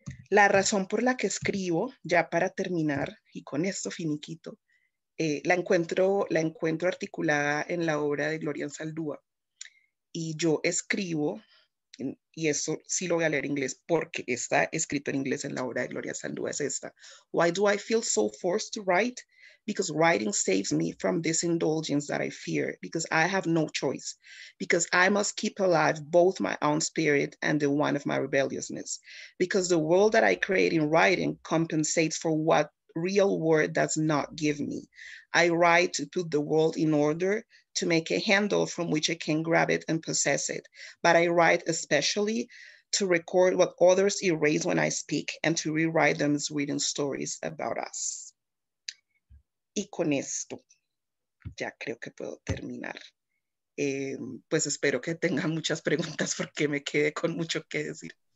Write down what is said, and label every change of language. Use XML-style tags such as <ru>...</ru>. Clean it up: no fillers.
<es>La razón por la que escribo, ya para terminar y con esto finiquito, la encuentro articulada en la obra de Gloria Anzaldúa, y yo escribo, y eso sí lo voy a leer en inglés porque está escrito en inglés en la obra de Gloria Anzaldúa, es esta:</es> <en>Why do I feel so forced to write? Because writing saves me from this indulgence that I fear, because I have no choice, because I must keep alive both my own spirit and the one of my rebelliousness, because the world that I create in writing compensates for what real world does not give me. I write to put the world in order, to make a handle from which I can grab it and possess it. But I write especially to record what others erase when I speak and to rewrite them as written stories about us.</en> <es>Y con esto, ya creo que puedo terminar. Pues espero que tengan muchas preguntas porque me quedé con mucho que decir.</es>